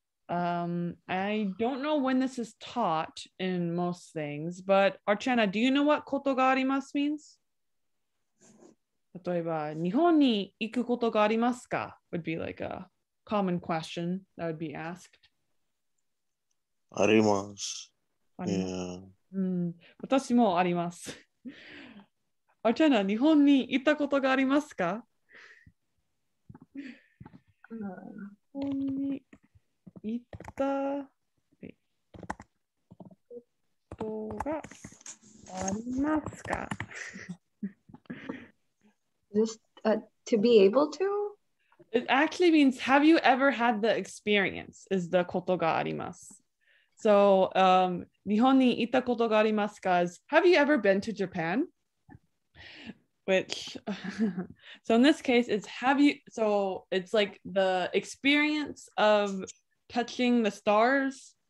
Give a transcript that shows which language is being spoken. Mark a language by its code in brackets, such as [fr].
[en] I don't know when this is taught in most things, but Archana, do you know what koto ga arimasu means? [ja] 例えば、日本に行くことがありますか? [en] Would be like a common question that would be asked. [ja] あります。 Yeah. 私もあります。アチャナ、日本に行ったことがありますか?日本に行ったことがありますか? [en] To be able to? It actually means, have you ever had the experience? Is the koto ga arimasu. So, [ja] nihon ni itta koto ga arimasu ka [en] is, have you ever been to Japan? Which, so in this case, it's have you, so it's like the experience of touching the stars.